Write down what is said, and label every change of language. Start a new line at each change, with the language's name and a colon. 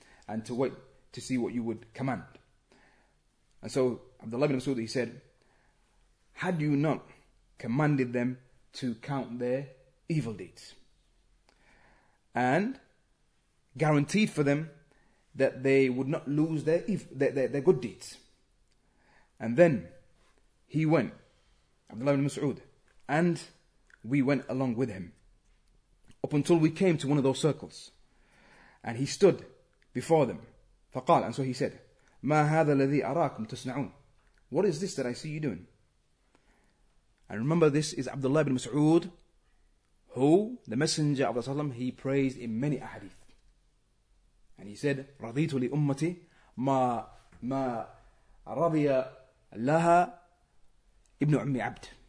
English: And to wait to see what you would command. And so Abdullah ibn Mas'ud, he said, had you not commanded them to count their evil deeds and guaranteed for them that they would not lose their good deeds. And then he went, Abdullah ibn Mas'ud, and we went along with him up until we came to one of those circles. And he stood before them.
Arabic: فقال,
English: and so he said,
Arabic: ما هذا الذي أراكم تصنعون.
English: What is this that I see you doing? And remember, this is Abdullah ibn Mas'ud, who, the Messenger of Allah, he praised in many ahadith. And he said,
Arabic: رَضِيْتُ لِأُمَّتِي مَا رَضِيَ لَهَا إِبْنُ عُمِّ عَبْدِ.